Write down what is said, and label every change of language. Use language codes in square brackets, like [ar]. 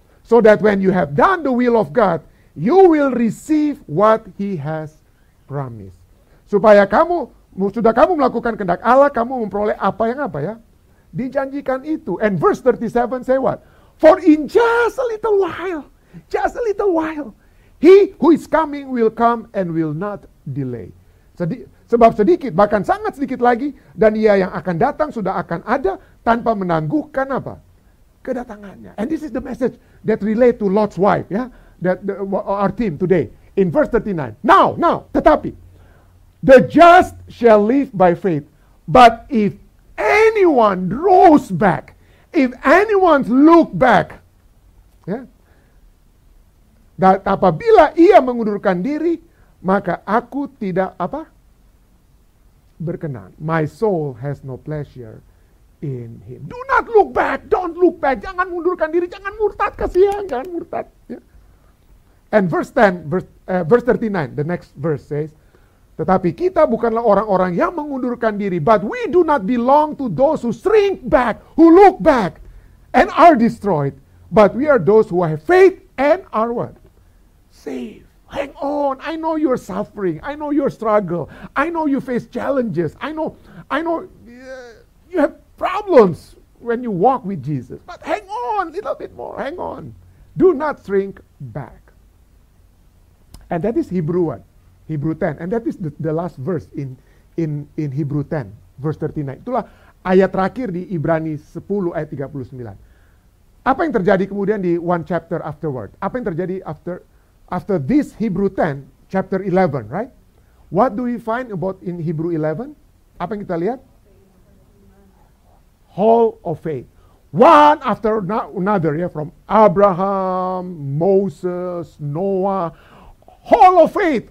[en] So that when you have done the will of God, you will receive what he has promised. [id] Supaya kamu, sudah kamu melakukan kehendak Allah, kamu memperoleh apa yang apa ya? Dijanjikan itu. [en] And verse 37 say what? For in just a little while, he who is coming will come and will not delay. [id] Sebab sedikit, bahkan sangat sedikit lagi, dan ia yang akan datang sudah akan ada tanpa menangguhkan apa? Kedatangannya. [en] And this is the message that relate to Lot's wife, ya? Our team today. In verse 39. Now, tetapi, the just shall live by faith, but if anyone draws back, if anyone look back, ya? [id] Dan apabila ia mengundurkan diri, maka aku tidak apa? Berkenan. [en] My soul has no pleasure in him. Do not look back. [id] Don't look back. Jangan mundurkan diri. Jangan murtad. Kasihan. Jangan murtad. Yeah. [en] And verse 39, the next verse says, [id] tetapi kita bukanlah orang-orang yang mengundurkan diri. [en] But we do not belong to those who shrink back, who look back and are destroyed. But we are those who have faith and are what? Saved. Hang on, I know you're suffering, I know your struggle, I know you face challenges, I know you have problems when you walk with Jesus. But hang on, a little bit more, hang on. Do not shrink back. And that is Hebrew 1, Hebrew 10. And that is the last verse in Hebrew 10, verse 39. [id] Itulah ayat terakhir di Ibrani 10, ayat 39. Apa yang terjadi kemudian di [en] one chapter afterward? [id] Apa yang terjadi [en] after this Hebrew 10, chapter 11, right? What do we find about in Hebrew 11? [id] Apa yang kita lihat? [en] Hall of Faith. One after another, yeah, from Abraham, Moses, Noah. Hall of Faith.